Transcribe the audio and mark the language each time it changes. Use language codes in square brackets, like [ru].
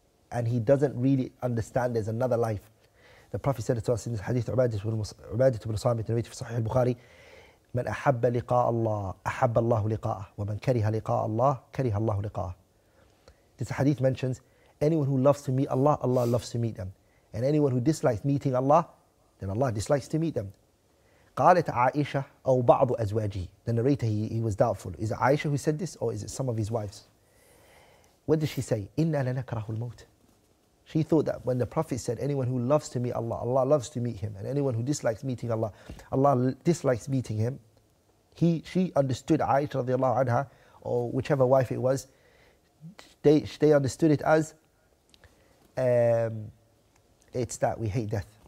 [en] And he doesn't really understand there's another life. The Prophet said to us in this hadith, Ubadah ibn Samit, narrated from Sahih al-Bukhari, [ar] من أحب لقاء الله أحب الله لقاءه [en] ومن كره لقاء الله كره الله لقاءه. This hadith mentions, anyone who loves to meet Allah, Allah loves to meet them. And anyone who dislikes meeting Allah, then Allah dislikes to meet them. [ar] قالت عائشة أو بعض أزواجه. [en] The narrator, he was doubtful. Is it Aisha who said this, or is it some of his wives? What did she say? [ar] إِنَّا لَنَكْرَهُ الْمَوْتِ. [en] She thought that when the Prophet said, anyone who loves to meet Allah, Allah loves to meet him. And anyone who dislikes meeting Allah, Allah dislikes meeting him. She understood Aisha radiallahu anha, or whichever wife it was, they understood it as, it's that we hate death.